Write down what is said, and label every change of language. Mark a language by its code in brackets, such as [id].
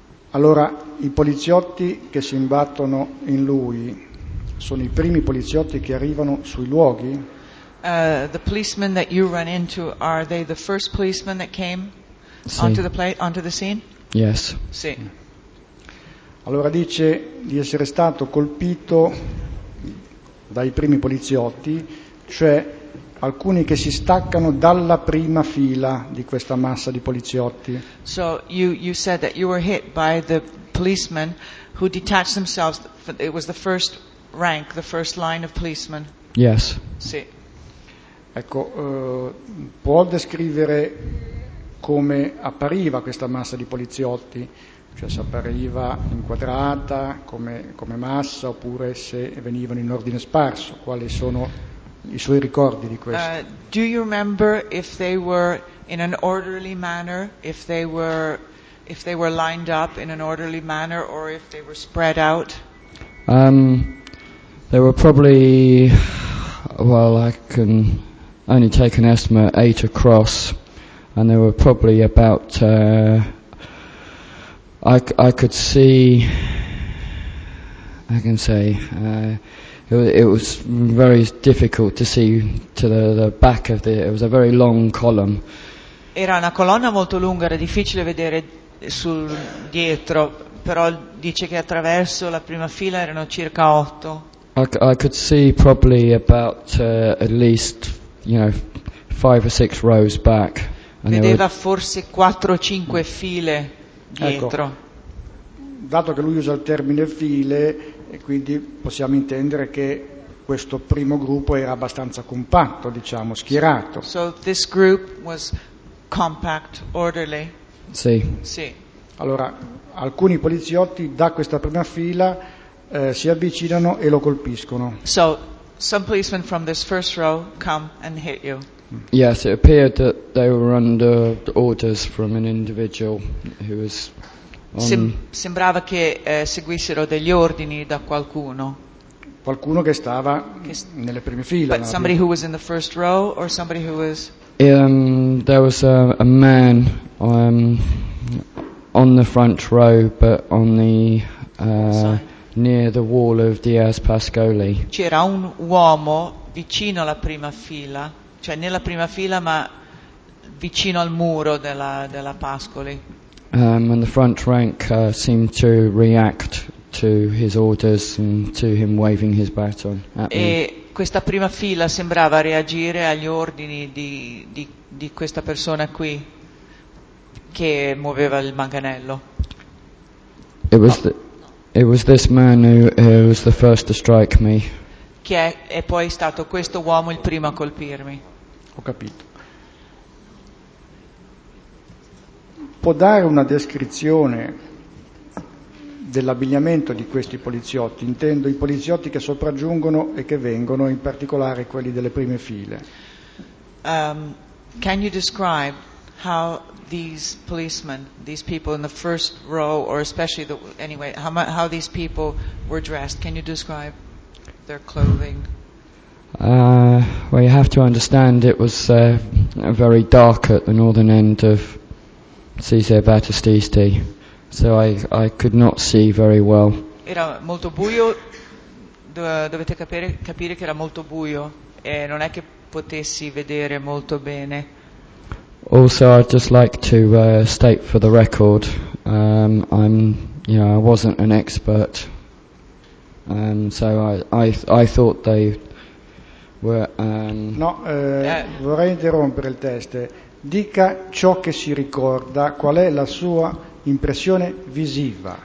[it] Allora, i poliziotti che si imbattono in lui. Sono i primi poliziotti che arrivano sui luoghi? [en] The policemen that you run into, are they the first policemen that came onto the scene? Yes. [it] Sì. Allora dice di essere stato colpito dai primi poliziotti, cioè alcuni che si staccano dalla prima fila di questa massa di poliziotti. [en] So you said that you were hit by the policemen who detached themselves. It was the first rank, the first line of policemen. Yes. [it] Sì. Ecco, può descrivere come appariva questa massa di poliziotti? Cioè se appariva inquadrata come massa oppure se venivano in ordine sparso? Quali sono i suoi ricordi di questo? [en] Do you remember if they were in an orderly manner, if they were lined up in an orderly manner or if they were spread out? They were probably, well, I can only take an estimate, 8 across, and they were probably about, it was very difficult to see to the back of the, it was a very long column. [it] Era una colonna molto lunga, era difficile vedere sul dietro, però dice che attraverso la prima fila erano circa 8. [en] I could see probably about at least, you know, 5 or 6 rows back. [it] Vedeva forse 4 o 5 file dietro. Ecco, dato che lui usa il termine file, e quindi possiamo intendere che questo primo gruppo era abbastanza compatto, diciamo, schierato. [en] So this group was compact, orderly. [it] Sì. Sì. Allora, alcuni poliziotti da questa prima fila si avvicinano e lo colpiscono. [en] So some policemen from this first row come and hit you. Yes, it appeared that they were under orders from an individual who was on. [it] Sembrava che seguissero degli ordini da qualcuno. Qualcuno che stava nelle prime file. [en] But somebody who was in the first row or somebody who was. There was a man on the front row, but on the near the wall of Diaz Pascoli. [it] C'era un uomo vicino alla prima fila. Cioè nella prima fila, ma vicino al muro della Pascoli. [en] And the front rank seemed to react to his orders and to him waving his baton at me. [it] E questa prima fila sembrava reagire agli ordini di questa persona qui che muoveva il manganello. [en] It was this man who was the first to strike me. [it] Che è poi stato questo uomo il primo a colpirmi. Ho capito. Può dare una descrizione dell'abbigliamento di questi poliziotti? Intendo i poliziotti che sopraggiungono e che vengono, in particolare quelli delle prime file. [en] Can you describe how these policemen, these people in the first row, or especially how these people were dressed? Can you describe their clothing? Well, you have to understand it was very dark at the northern end of Cesare Battististi, so I could not see very well. [it] Era molto buio. Dovete capire che era molto buio e non è che potessi vedere molto bene. [en] Also, I'd just like to state for the record, I wasn't an expert, so I thought they. [it] Vorrei interrompere il test. Dica ciò che si ricorda, qual è la sua impressione visiva.